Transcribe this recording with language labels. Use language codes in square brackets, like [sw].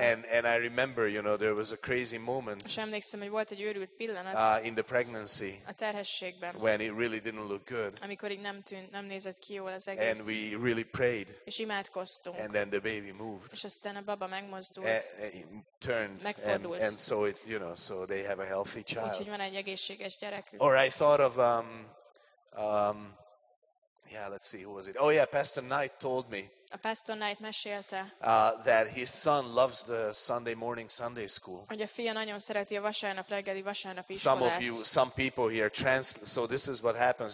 [en] And I remember, you know, there was a crazy moment. [hu] És emlékszem, hogy volt egy őrült pillanat. [en] In the pregnancy. [hu] A terhességben. [en] When it really didn't look good. [hu] Amikor így nem nézett ki jól az egész. [en] And we really prayed. [hu] És imádkoztunk. [en] And then the baby moved. [hu] És aztán a baba megmozdult. [en] Turned. [hu] Megfordult. [en] And so it, you know, so they have a healthy child. [hu] Úgyhogy van egy egészséges gyerekük. [en] Or I thought of yeah, let's see, who was it? Oh yeah, Pastor Knight told me. [hu] A Pastor Knight mesélte. [en] That his son loves the Sunday morning Sunday school. [hu] Hogy a fia nagyon szereti a vasárnap reggeli vasárnap iskolát. [en] Some of you, some people here so this is what happens.